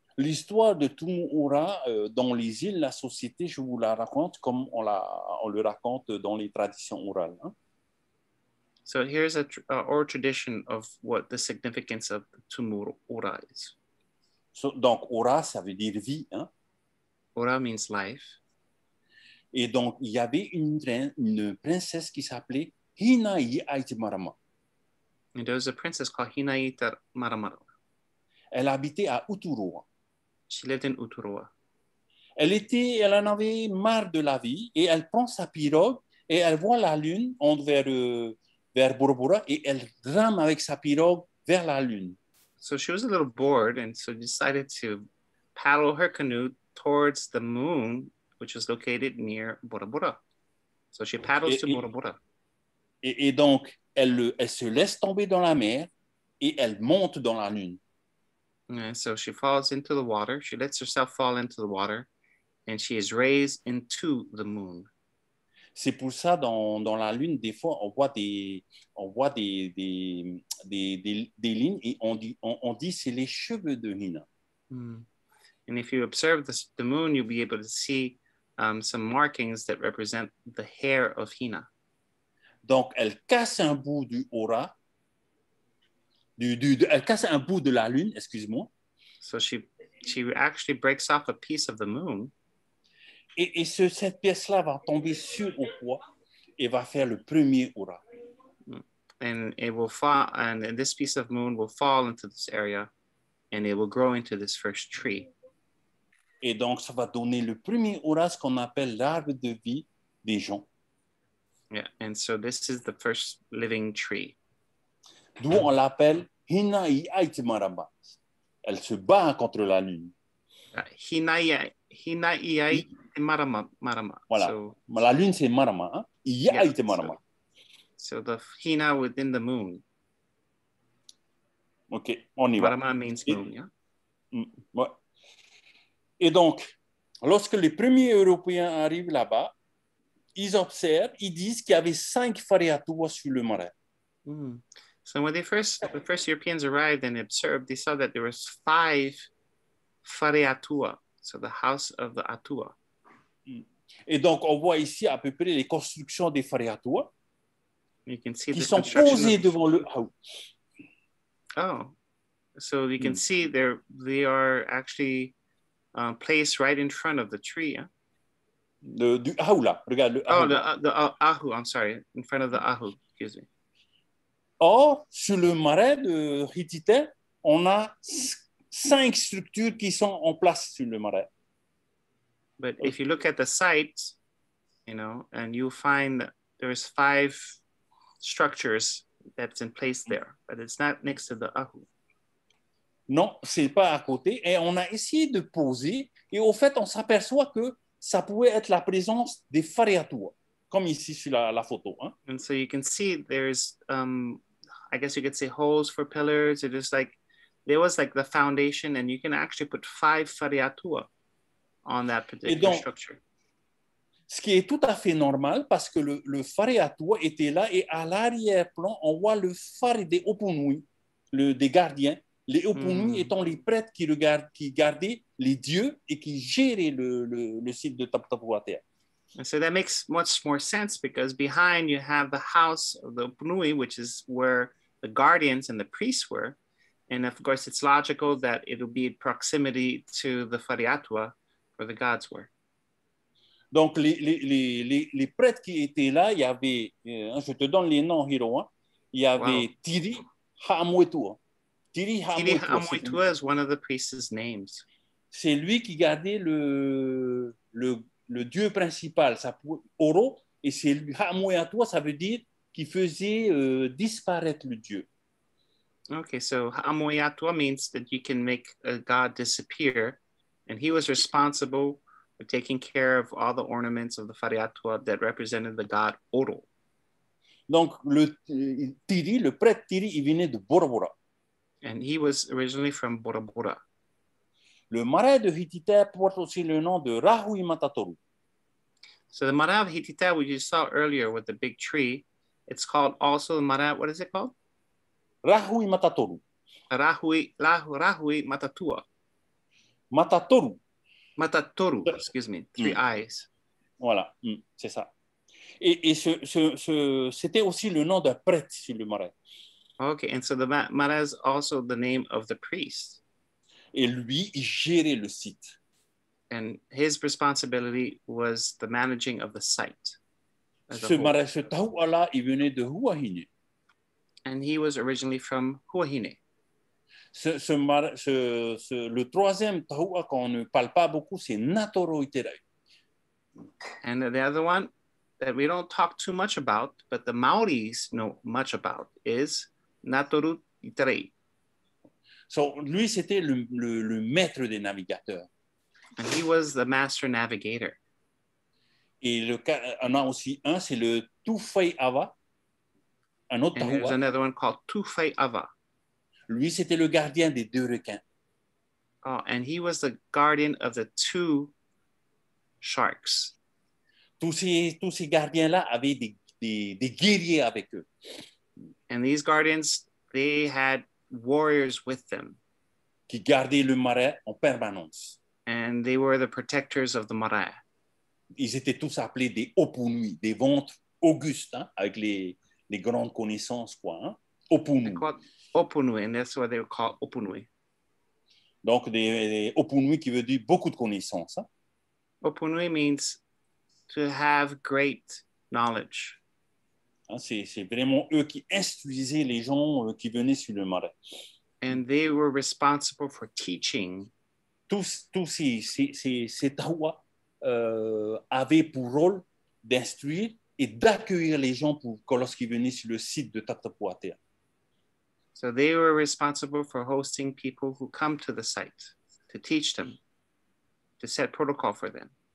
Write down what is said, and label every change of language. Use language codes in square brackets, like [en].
[fr] L'histoire de tumuura dans les îles, la société, je vous la raconte comme on le raconte dans les traditions orales. Hein? [en] So here's an oral tradition of what the significance of tumuura is. [fr] So, donc, aura, ça veut dire vie. Hein? [en] Aura means life. [fr] Et donc, il y avait une princesse qui s'appelait Hinaiitamarama. [en] And there was a princess called Hinaiitamarama. [fr] Elle habitait à Uturoa. [en] She lived in Uturoa. [fr] Elle en avait marre de la vie et elle prend sa pirogue et elle voit la lune vers Bourboura et elle rame avec sa pirogue vers la lune. [en] So she was a little bored and so decided to paddle her canoe towards the moon, which was located near Bourboura. So she paddles to Bourboura. [fr] Et donc, elle se laisse tomber dans la mer et elle monte dans la lune. [en] And so she falls into the water. She lets herself fall into the water and she is raised into the moon. [fr] C'est pour ça dans la lune, des fois, on voit des lignes et on dit c'est les cheveux de Hina. Mm. [en] And if you observe the moon, you'll be able to see some markings that represent the hair of Hina. [fr] Donc, elle casse un bout du aura. Elle casse un bout de la lune, excuse-moi. [en] So she actually breaks off a piece of the moon. [fr] Et cette pièce-là va tomber sur au poids et va faire le premier aura. [en] And this piece of moon will fall into this area and it will grow into this first tree. [fr] Et donc, ça va donner le premier aura, ce qu'on appelle l'arbre de vie des gens. [en] Yeah, and so this is the first living tree. [fr] D'où on l'appelle Hinaiitamarama. Elle se bat contre la lune. Hinaiitamarama. Voilà. So, la lune, c'est Marama. Hein? Iaitamarama. [en] So the Hina within the moon. [fr] OK, on y va. [en] Marama means moon, yeah? [fr] Ouais. Et donc, lorsque les premiers Européens arrivent là-bas, ils observent, ils disent qu'il y avait 5 Raʻiātea sur le marais. Mm. [en] So when the first Europeans arrived and observed, they saw that there was 5 Raʻiātea, so the house of the ATUA. [fr] Et donc, on voit ici à peu près les constructions des Raʻiātea. [en] You can see [fr] qui sont posées devant le house. [en] Oh, so you can see they are actually placed right in front of the tree. Yeah? [fr] Du ahu là, regarde le ahu. [en] Oh, the ahu, I'm sorry, in front of the ahu, excuse me. [fr] Or, sur le marais de Hitite, on a 5 structures qui sont en place sur le marais. [en] But okay. If you look at the site, you know, and you find that there's 5 structures that's in place there, but it's not next to the ahu. [fr] Non, c'est pas à côté, et on a essayé de poser, et au fait, on s'aperçoit que ça pouvait être la présence des Raʻiātea, comme ici sur la photo. Hein? [en] And so you can see there's, I guess you could say holes for pillars. It is like, there was like the foundation and you can actually put 5 Raʻiātea on that particular [fr] donc, [en] structure. [fr] Ce qui est tout à fait normal parce que le Raʻiātea était là et à l'arrière-plan, on voit le phare des Oponui, des gardiens. Les Oponui étant les prêtres qui gardaient les dieux et qui géraient le site de Taputapuātea. [en] And so that makes much more sense because behind you have the house of the Oponui, which is where the guardians and the priests were. And of course, it's logical that it would be in proximity to the Raʻiātea where the gods were. [fr] Donc, les prêtres qui étaient là, il y avait, je te donne les noms, Hiro, hein? Il y avait Tiri, Haamuetua. [en] Tirihamuitua is one of the priest's names. [fr] C'est lui qui gardait le dieu principal, ça Oro, et c'est Hamuitua, ça veut dire qui faisait disparaître le dieu. [en] Okay, so Hamuitua means that you can make a god disappear, and he was responsible for taking care of all the ornaments of the Fariatua that represented the god Oro. [fr] Donc le Tiri, le prêtre Tiri, il venait de Borobora. [en] And he was originally from Borobora. [fr] Le marais de Hitita porte aussi le nom de Rahui Matatoru. [en] So the marais of Hitita, which you saw earlier with the big tree, it's called also the marais, what is it called? Rahui Matatoru. Rahui Matatua. Matatoru. Matatoru, excuse me, three eyes. [fr] Voilà, c'est ça. Et c'était aussi le nom d'un prêtre sur le marais. [en] Okay, and so the marais is also the name of the priest. [fr] Et lui, il gérait le site. [en] And his responsibility was the managing of the site. [fr] Ce marais, ce tahu'ala, il venait de Huahine. [en] And he was originally from Huahine. [fr] Le troisième tahu'a qu'on ne parle pas beaucoup, c'est Natoroiterai. [en] And the other one that we don't talk too much about, but the Maoris know much about, is Natoroiterai. [fr] So, lui, c'était le maître des navigateurs. [en] And he was the master navigator. [fr] Et on a aussi un, c'est le Tufei'ava. Un autre [en] tahu'a. There's another one called Tufei'ava. [fr] Lui, c'était le gardien des deux requins. [en] Oh, and he was the guardian of the two sharks. [fr] Tous ces gardiens-là avaient des guerriers avec eux. [en] And these guardians, they had warriors with them. [fr] Qui gardaient le marais en permanence. [en] And they were the protectors of the marais. [fr] Ils étaient tous appelés des opunui, des ventres augustes, hein, avec les grandes connaissances, quoi. Hein. Opunui. [en] Opunui, and that's why they were called opunui. [fr] Donc, des opunui qui veut dire beaucoup de connaissances. Hein. [en] Opunui means to have great knowledge. [fr] C'est vraiment eux qui instruisaient les gens qui venaient sur le marais. [en] And they were responsible for teaching. [fr] Tous ces tahu'a avaient pour rôle d'instruire et d'accueillir les gens lorsqu'ils venaient sur le site de Taputapuātea. [en] So they were responsible for hosting people who come to the site to teach them, to set protocol for them.